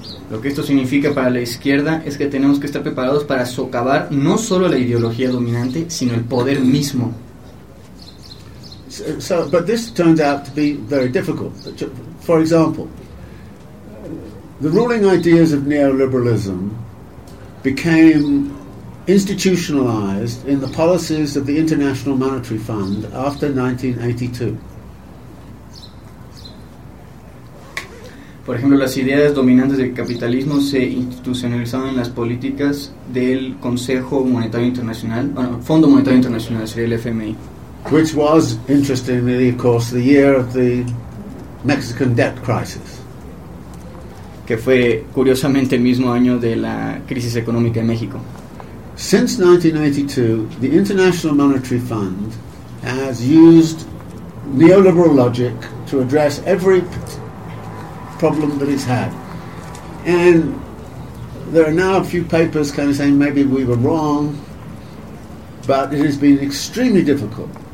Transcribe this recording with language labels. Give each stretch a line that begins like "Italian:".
Spanish: Lo que esto significa para la izquierda es que tenemos que estar preparados para socavar no solo la ideología dominante, sino el poder mismo.
English: So, but this turns out to be very difficult. For example, the ruling ideas of neoliberalism became institutionalized in the policies of the International Monetary Fund after 1982.
Spanish: Por ejemplo, las ideas dominantes del capitalismo se institucionalizaron en las políticas del Consejo Monetario Internacional, bueno, Fondo Monetario Internacional, sería el FMI.
English: Which was, interestingly, of course, the year of the Mexican debt crisis.
Spanish: Que fue, curiosamente, el mismo año de la crisis económica en México.
English: Since 1982, the International Monetary Fund has used neoliberal logic to address every problem that it's had, and there are now a few papers kind of saying maybe we were wrong, but it has been extremely difficult